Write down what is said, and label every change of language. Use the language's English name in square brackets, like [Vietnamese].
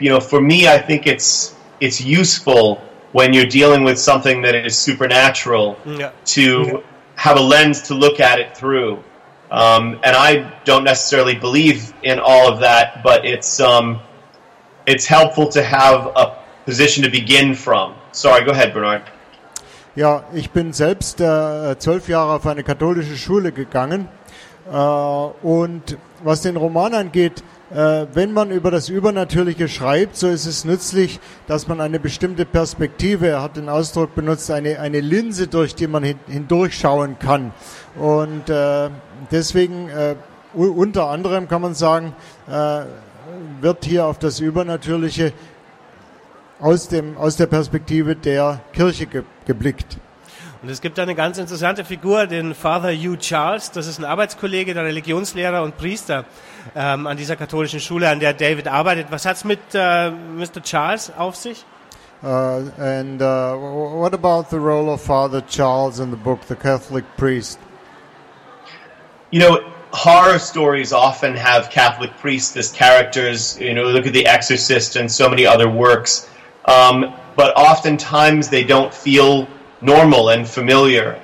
[English] For me, I think it's useful when you're dealing with something that is supernatural to have a lens to look at it through. And I don't necessarily believe in all of that, but it's helpful to have a position to begin from. Sorry, go ahead, Bernard. [German] Ja, ich bin selbst 12 Jahre auf eine katholische Schule gegangen. Und was den Roman angeht, wenn man über das Übernatürliche schreibt, so ist es nützlich, dass man eine bestimmte Perspektive, er hat den Ausdruck benutzt, eine Linse, durch die man hindurchschauen kann. Und deswegen, unter anderem kann man sagen, wird hier auf das Übernatürliche aus der Perspektive der Kirche geblickt. Und es gibt da eine ganz interessante Figur, den Father Hugh Charles. Das ist ein Arbeitskollege, der Religionslehrer und Priester an dieser katholischen Schule, an der David arbeitet. Was hat's mit Mr. Charles auf sich? [English] What about the role of Father Charles in the book, the Catholic priest? You know, horror stories often have Catholic priests as characters. You know, look at The Exorcist and so many other works. But oftentimes they don't feel normal and familiar.